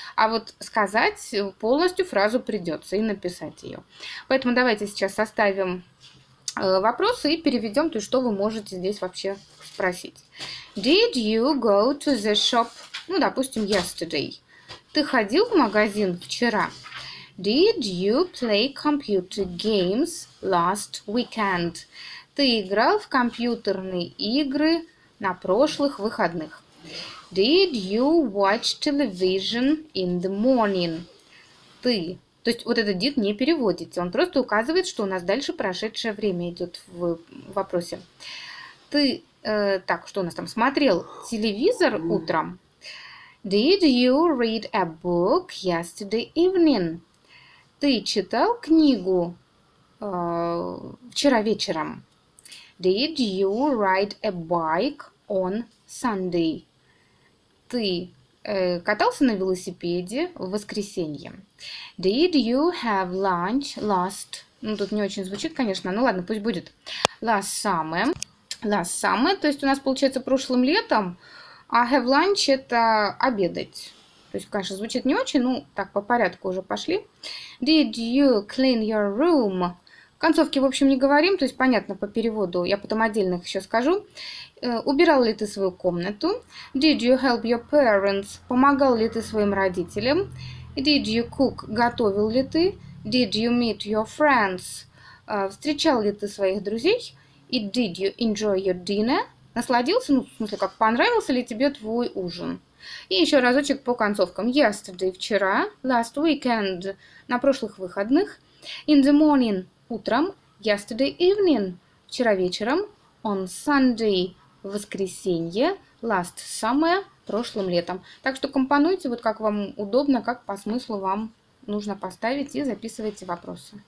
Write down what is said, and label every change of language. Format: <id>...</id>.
<ru>А вот сказать полностью фразу придется и написать ее. Поэтому давайте сейчас составим вопросы и переведем, то есть что вы можете здесь вообще спросить.</ru> <en>Did you go to the shop?</en> <ru>Ну, допустим, yesterday. Ты ходил в магазин вчера?</ru> <en>Did you play computer games last weekend?</en> <ru>Ты играл в компьютерные игры на прошлых выходных?</ru> <en>Did you watch television in the morning?</en> <ru>Ты. То есть вот этот did не переводится. Он просто указывает, что у нас дальше прошедшее время идет в вопросе. Ты, так, что у нас там, смотрел телевизор утром?</ru> <en>Did you read a book yesterday evening?</en> <ru>Ты читал книгу вчера вечером?</ru> <en>Did you ride a bike on Sunday?</en> <ru>Ты катался на велосипеде в воскресенье?</ru> <en>Did you have lunch last...</en> <ru>Ну, тут не очень звучит, конечно. Ну, ладно, пусть будет.</ru> <en>Last summer. Last summer.</en> <ru>То есть у нас получается прошлым летом. А</ru> <en>have lunch</en> <ru>– это обедать. То есть, конечно, звучит не очень. Ну, так, по порядку уже пошли.</ru> <en>Did you clean your room?</en> <ru>Концовки, в общем, не говорим, то есть понятно по переводу, я потом отдельно их еще скажу. Убирал ли ты свою комнату?</ru> <en>Did you help your parents?</en> <ru>Помогал ли ты своим родителям?</ru> <en>Did you cook?</en> <ru>Готовил ли ты?</ru> <en>Did you meet your friends?</en> <ru>Встречал ли ты своих друзей?</ru> <en>И did you enjoy your dinner?</en> <ru>Насладился, ну, в смысле, как понравился ли тебе твой ужин? И еще разочек по концовкам.</ru> <en>Yesterday,</en> <ru>вчера,</ru> <en>last weekend,</en> <ru>на прошлых выходных,</ru> <en>in the morning,</en> <ru>утром,</ru> <en>yesterday evening,</en> <ru>вчера вечером,</ru> <en>on Sunday,</en> <ru>воскресенье,</ru> <en>last summer,</en> <ru>прошлым летом. Так что компонуйте, вот как вам удобно, как по смыслу вам нужно поставить и записывайте вопросы.</ru>